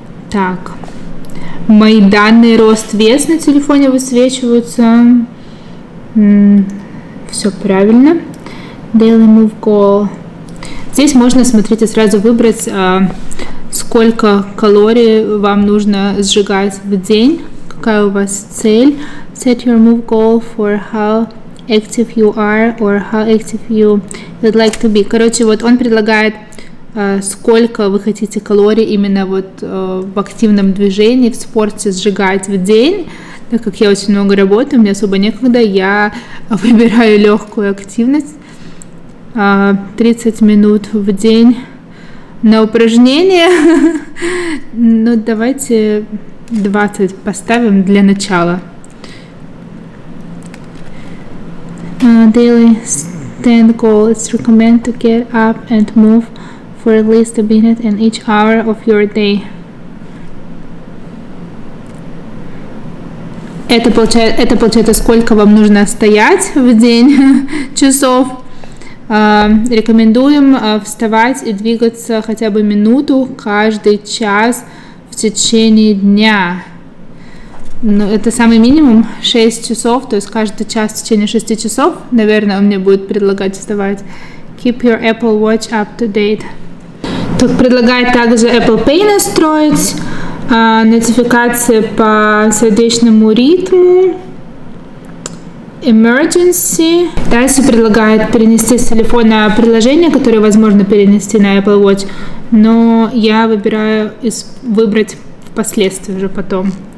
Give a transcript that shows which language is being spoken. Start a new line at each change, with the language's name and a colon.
Russian: Так, мои данные, рост, вес на телефоне высвечиваются. Все правильно.
English: Daily move goal.
Russian: Здесь можно, смотрите, сразу выбрать, сколько калорий вам нужно сжигать в день, какая у вас цель.
English: Set your move goal for how active you are or how active you would like to be.
Russian: Короче, вот он предлагает, сколько вы хотите калорий именно вот в активном движении, в спорте сжигать в день. Так как я очень много работаю, у меня особо некогда, я выбираю легкую активность. 30 минут в день на упражнение. Ну, давайте 20 поставим для начала.
English: Daily stand goal. It's recommended to get up and move for at least a minute in each hour of your day.
Russian: Это получается, сколько вам нужно стоять в день часов. Рекомендуем вставать и двигаться хотя бы минуту каждый час в течение дня. Ну, это самый минимум 6 часов, то есть каждый час в течение 6 часов, наверное, он мне будет предлагать вставать.
English: Keep your Apple Watch up to date.
Russian: Так, предлагает также Apple Pay настроить, нотификации по сердечному ритму, emergency. Дальше предлагает перенести с телефона приложение, которое возможно перенести на Apple Watch, но я выбираю выбрать впоследствии уже потом.